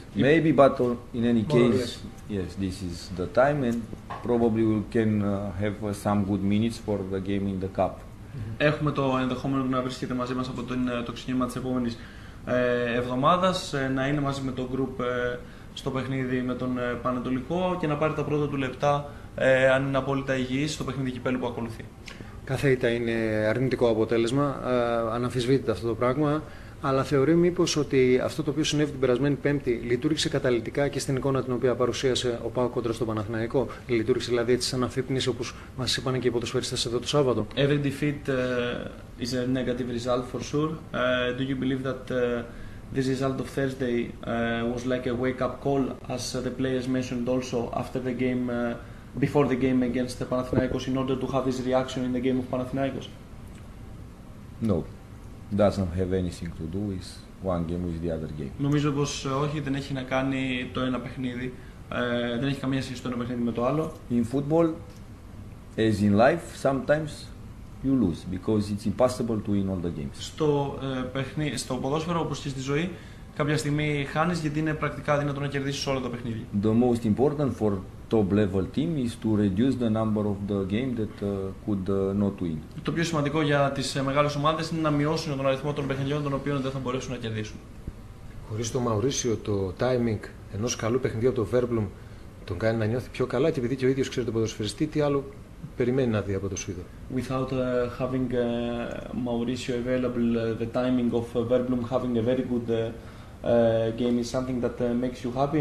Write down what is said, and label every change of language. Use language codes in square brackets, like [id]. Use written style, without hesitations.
[en] Maybe, but in any case, yes, this is the time, and probably we can have some good minutes for the game in the cup. [el] Έχουμε το ενδεχόμενο να βρίσκεται μαζί μας από το ξεκίνημα της επόμενης εβδομάδας, να είναι μαζί με τον γκρουπ στο παιχνίδι με τον Πανετολικό και να πάρει τα πρώτα του λεπτά, αν είναι απόλυτα υγιής, στο παιχνίδι κυπέλλου που ακολουθεί. Κάθε ήττα είναι αρνητικό αποτέλεσμα, αναμφισβήτητα αυτό το πράγμα, αλλά θεωρεί μήπως ότι αυτό το οποίο συνέβη την περασμένη Πέμπτη λειτουργήσε καταλυτικά και στην εικόνα την οποία παρουσίασε ο ΠΑΟΚ κόντρα στο Παναθηναϊκό. Λειτουργήσε δηλαδή έτσι σαν αφύπνιση, όπως μας είπαν και οι ποδοσφαιριστές εδώ το Σάββατο. [en] Every defeat is a negative result for sure. Do you believe that this result of Thursday was like a wake-up call, as the players mentioned also after the game, before the game against the Panathinaikos, in order to have this reaction in the game of Panathinaikos? No. Doesn't have anything to do with one game with the other game. [el] Νομίζω πως όχι, δεν έχει να κάνει το ένα παιχνίδι, δεν έχει καμία σχέση το ένα παιχνίδι με το άλλο. [en] In football, as in life, sometimes you lose because it's impossible to win all the games. [el] Στο παιχνίδι, στο ποδόσφαιρο, όπως και στη ζωή, κάποια στιγμή χάνεις γιατί είναι πρακτικά αδύνατο να κερδίσεις όλα τα παιχνίδια. [en] The most important for top level team is to reduce the number of the game that could not win. [el] Το πιο σημαντικό για τις μεγάλες ομάδες είναι να μειώσουν τον αριθμό των παιχνιδιών των οποίων δεν θα μπορέσουν να κερδίσουν. Χωρίς το Μαουρίσιο, το timing ενός καλού παιχνιδιού από το Βέρμπλουμ τον κάνει να νιώθει πιο καλά, και επειδή και ο ίδιος ξέρει τον ποδοσφαιριστή, τι άλλο περιμένει να δει από το Σουηδό. [en] Without having Mauricio available, the timing of Verblom having a very good game is something that makes you happy.